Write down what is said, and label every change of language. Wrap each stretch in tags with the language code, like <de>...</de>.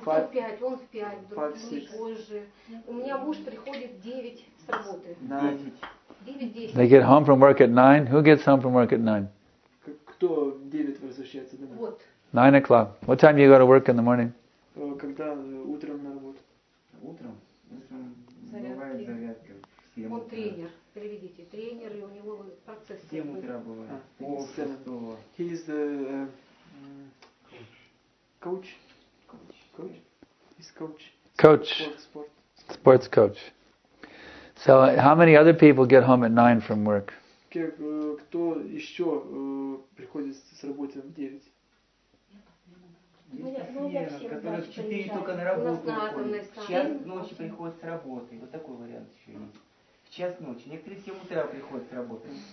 <ru>Ну, 5, он в 5, другой позже. У меня муж приходит 9 с работы. 9.</ru> <en>They get home from work at 9. Who gets home from work at 9?</en> <ru>Кто в 9 возвращается домой? Вот.</ru> <en>9 o'clock. What time do you go to work in the morning?</en> <ru>Когда утром на работу. Утром? Бывает зарядка. Он тренер. Переведите. Тренер, и у него процесс. 7 утра бывает.</ru> <en>He is the coach. Coach. He's coach. Coach. Sports coach. So, how many other people get home at 9 from work?</en> <ru>Кто еще приходит с работы в 9? Есть смена, которая в 4 только на работу уходит. В час ночи приходит с работы. Вот такой вариант еще есть. В час ночи. Некоторые в 7 утра приходят с работы.</ru>